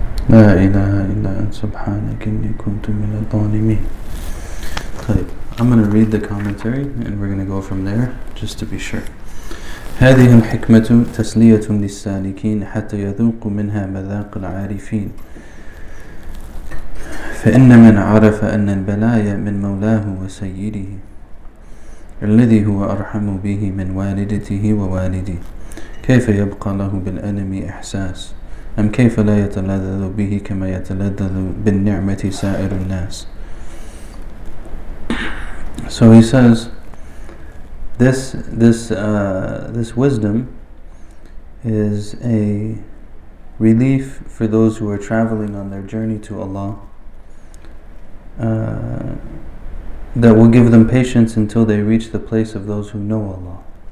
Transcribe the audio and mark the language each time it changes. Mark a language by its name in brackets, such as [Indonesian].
[Arabic] لا إله إلا أنت سبحانك إني كنت من الظالمين. طيب, [English] I'm going to read the commentary and we're going to go from there just to be sure. [Arabic] هذه الحكمة تسلية للسالكين حتى يذوقوا منها مذاق العارفين. فإن من عرف أن البلايا من مولاه وسيده الذي هو أرحم به من والدته ووالده كيف يبقى له بالألم إحساس, أم كيف لا يتلذذ به كما يتلذذ بالنعمة سائر الناس. [English] So he says, this wisdom is a relief for those who are traveling on their journey to Allah, that will give them patience until they reach the place of those who know Allah.